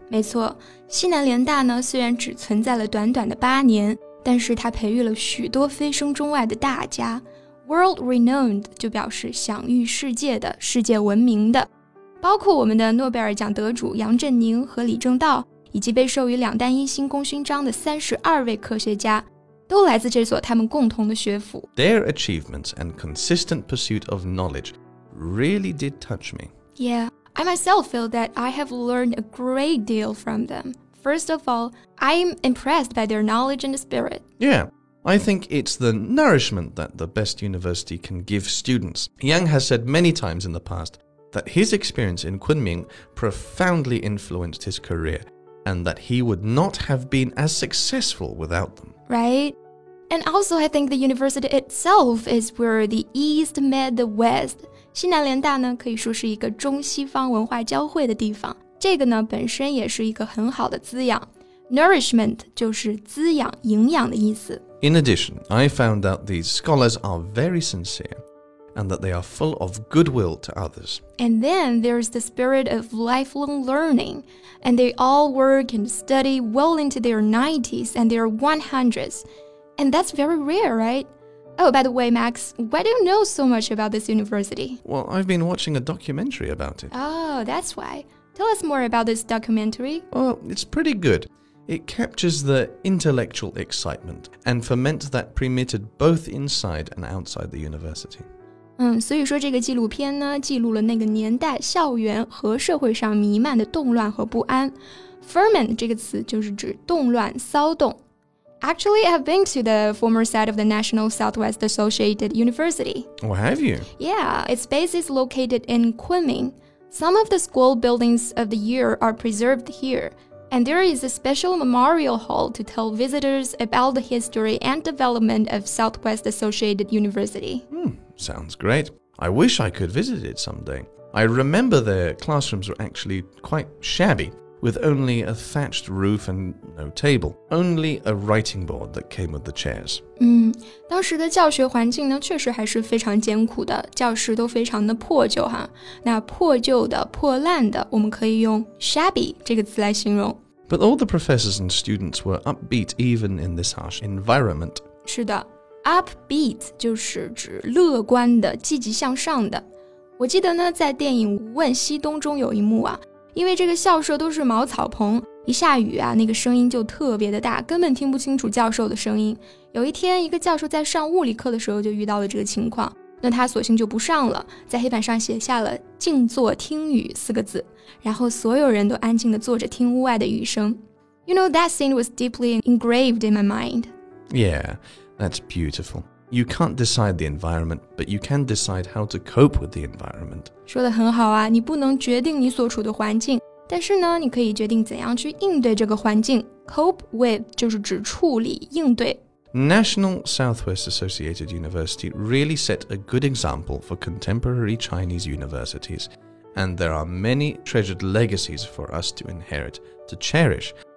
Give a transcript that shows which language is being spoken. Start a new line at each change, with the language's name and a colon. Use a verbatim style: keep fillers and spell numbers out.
Chinese: 没错，西南联大呢，虽然只存在了短短的八年，但是它培育了许多蜚声中外的大家。 World-renowned 就表示享誉世界的、世界闻名的，包括我们的诺贝尔奖得主杨振宁和李政道，以及被授予两弹一星功勋章的三十二位科学家，都来自这所他们共同的学府。
English: Their achievements and consistent pursuit of knowledge really did touch me. Yeah. I myself feel that I have learned a great deal from them. First of all, I'm impressed by their knowledge and spirit. Yeah, I think it's the nourishment that the best university can give students. Yang has said many times in the past that his experience in Kunming profoundly influenced his career and that he would not have been as successful without them. Right? And also I think the university itself is where the East met the West.
Chinese: 西南联大呢，可以说是一个中西方文化交汇的地方，这个呢本身也是一个很好的滋养。 Nourishment 就是滋养、营养的意思。
English: In addition, I found out these scholars are very sincere and that they are full of goodwill to others. And then there's the spirit of lifelong learning, and they all work and study well into their nineties and their hundreds. And that's very rare, right? Oh, by the way, Max, why do you know so much about this university? Well, I've been watching a documentary about it. Oh, that's why. Tell us more about this documentary. Oh, it's pretty good. It captures the intellectual excitement and ferment that permitted both inside and outside the university.
Chinese: 嗯，所以说这个纪录片呢，记录了那个年代校园和社会上弥漫的动乱和不安。 Ferment 这个词就是指动乱、骚动。
English: Actually, I have been to the former site of the National Southwest Associated University. Oh, have you? Yeah, its base is located in Kunming. Some of the school buildings of the year are preserved here. And there is a special memorial hall to tell visitors about the history and development of Southwest Associated University. Hmm, sounds great. I wish I could visit it someday. I remember their classrooms were actually quite shabby, with only a thatched roof and no table, only a writing board that came with the chairs.
Chinese: 嗯，当时的教学环境呢，确实还是非常艰苦的，教室都非常的破旧哈。那破旧的、破烂的，我们可以用 shabby 这个词来形容。
English: But all the professors and students were upbeat even in this harsh environment.
Chinese: 是的 upbeat 就是指乐观的、积极向上的。我记得呢，在电影《无问西东》中有一幕啊，因为这个校舍都是茅草棚，一下雨啊，那个声音就特别的大，根本听不清楚教授的声音。有一天，一个教授在上物理课的时候就遇到了这个情况，那他索性就不上了，在黑板上写下了静坐听雨四个字，然后所有人都安静地坐着听屋外的雨声。
English: You know, that scene was deeply engraved in my mind. Yeah, that's beautiful. You can't decide the environment, but you can decide how to cope with the environment.
Chinese: 说得很好啊，你不能决定你所处的环境，但是呢，你可以决定怎样去应对这个环境。 Cope with 就是指处理、应对。
English: National Southwest Associated University really set a good example for contemporary Chinese universities, and there are many treasured legacies for us to inherit, to cherish.